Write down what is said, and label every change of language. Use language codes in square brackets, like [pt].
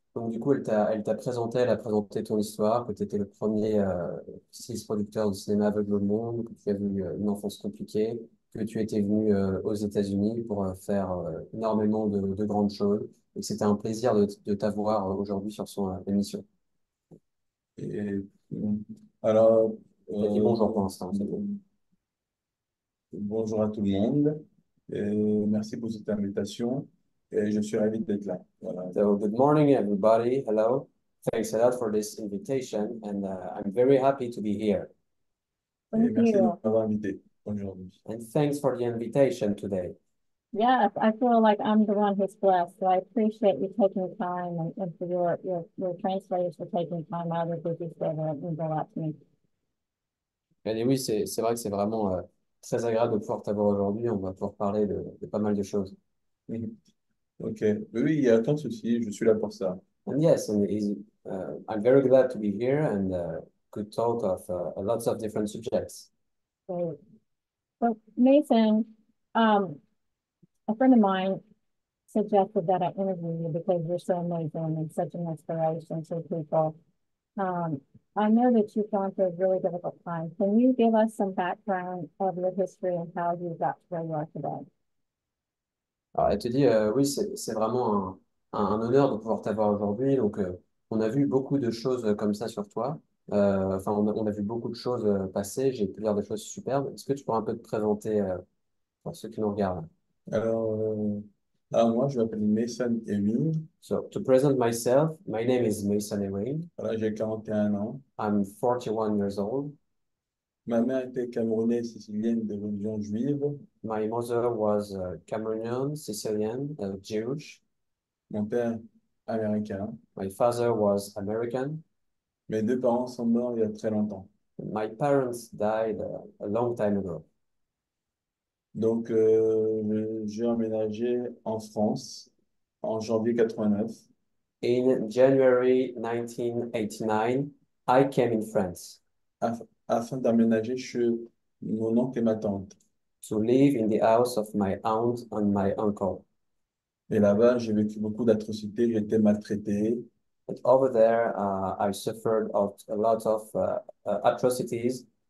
[fr] Donc, du coup, elle a présenté ton histoire, que tu étais le premier six producteur de cinéma aveugle au monde, que tu as eu une enfance compliquée, que tu étais venu aux États-Unis pour faire énormément de grandes choses, et que c'était un plaisir de t'avoir aujourd'hui sur son émission. Alors, Dit bonjour pour l'instant, c'est tout. bonjour à tout le monde et merci pour cette invitation et je suis ravi d'être là. Voilà. [en] So, good morning, everybody. Hello. Thanks a lot for this invitation, and I'm very happy to be here. [fr] Et [en] And [fr] merci de m'avoir invité aujourd'hui. [en] thanks for the invitation today. Yes, I feel like I'm the one who's blessed. So I appreciate you taking the time and for your translators for taking time out of their busy schedule and go out to me. [fr] Et oui, c'est vrai que c'est vraiment très agréable de pouvoir t'avoir aujourd'hui. On va pouvoir parler de pas mal de choses. Ok, oui, il y a aucun souci, je suis là pour ça. [en] And yes, I'm very glad to be here and could talk of lots of different subjects. Great. So, Mason, a friend of mine suggested that I interview you because you're so amazing and such an inspiration to people. I know that you've gone through a really difficult time. Can you give us some background of your history and how you got to where you are today? [fr] Alors, elle te dit, oui, c'est vraiment un honneur de pouvoir t'avoir aujourd'hui. Donc, on a vu beaucoup de choses comme ça sur toi. Enfin, on a vu beaucoup de choses passer. J'ai pu lire des choses superbes. Est-ce que tu pourrais un peu te présenter pour ceux qui nous regardent? Alors, moi, je m'appelle Mason Ewing. [en] So, to present myself, my name is Mason Ewing. [fr] Voilà, j'ai 41 ans. [en] I'm 41 years old. [fr] Ma mère était camerounaise sicilienne de religion juive. [en] My mother was Cameroonian, Sicilian, Jewish. [fr] Mon père, américain. [en] My father was American. [fr] Mes deux parents sont morts il y a très longtemps. [en] My parents died a long time ago. [fr] Donc, j'ai emménagé en France en janvier 89. [en] In January 1989, I came in France [fr] Afin d'aménager chez mon oncle et ma tante. [en] to live in the house of my aunt and my uncle. [fr] Et là-bas, j'ai vécu beaucoup d'atrocités, j'ai été maltraité. [en] But over there, I suffered a lot of atrocities.